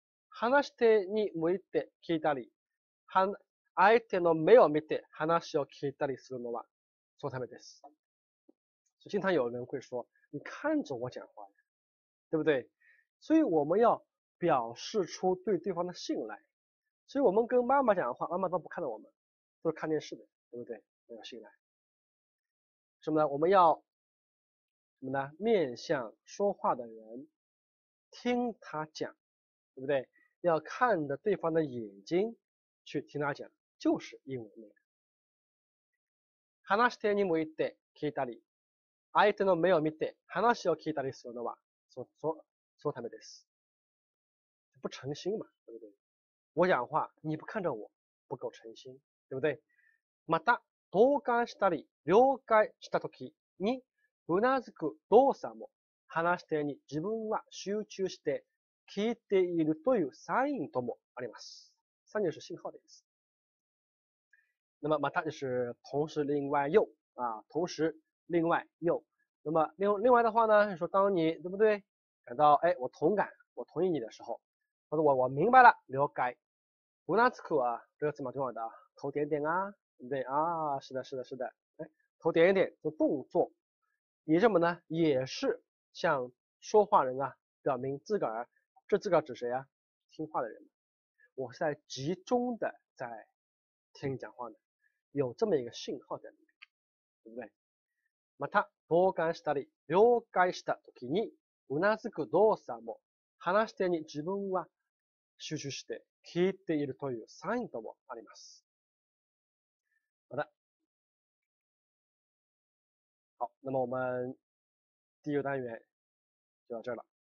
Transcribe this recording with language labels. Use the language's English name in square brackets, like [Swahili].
[Japanese] 話し手に向いて聞いたり、相手の目を見て話を聞いたりするのは、そのためです。 [Chinese] 经常有人会说，你看着我讲话呀，对不对？所以我们要表示出对对方的信赖。所以我们跟妈妈讲话，妈妈都不看着我们，都是看电视的，对不对？没有信赖。什么呢？我们要什么呢？面向说话的人。听他讲，对不对？要看着对方的眼睛去听他讲，就是英文那个。 [Japanese] 話してにもいて聞いたり、相手の目を見て話を聞いたりするのは、そのためです。 [Chinese] 不诚心嘛，对不对？我讲话你不看着我，不够诚心，对不对？ [Japanese] また同感したり、了解したときに、うなずく動作も。話し手に自分は集中して聞いているというサインともあります。サインは信号です。 [Chinese] 那么また就是同时另外又啊，同时另外又。那么另外的话呢，就是说当你对不对感到我同感，我同意你的时候，或者我明白了，了解。うなずく啊，这个词蛮重要的啊，头点点啊，对不对啊？是的，是的，是的。头点一点就动作，以什么呢？也是。向说话人啊，表明自个儿，这自个儿指谁啊？听话的人，我是在集中的在听你讲话的，有这么一个信号在里面，对不对？ [Japanese] また同感したり、了解した時に、うなずく動作も、話し手に自分は集中して聞いているというサインともあります。 [Chinese] 好的，好，那么我们第一个单元就到这儿了。